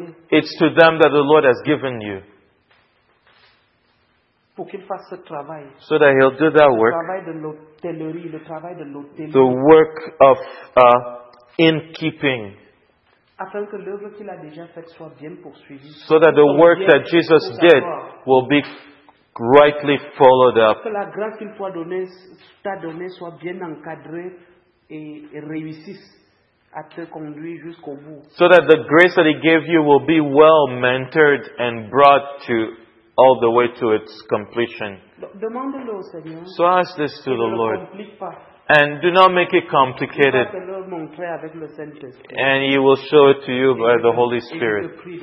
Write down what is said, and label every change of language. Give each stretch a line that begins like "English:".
English: It's to them that the Lord has given you.
French: pour qu'il fasse ce travail.
English: So that he'll do that work.
French: Le travail de l'hôtellerie, le travail de l'hôtellerie.
English: The work of innkeeping.
French: Afin que l'œuvre qu'il a déjà faite soit bien poursuivie.
English: So that the work that Jesus did will be rightly followed up.
French: Que la grâce qu'il t'a donnée soit bien encadrée et réussisse à te conduire jusqu'au bout.
English: So that the grace that he gave you will be well mentored and brought to all the way to its completion.
French: Demande-le au Seigneur.
English: So ask this to the Lord. And do not make it complicated. And he will show it to you by the Holy Spirit.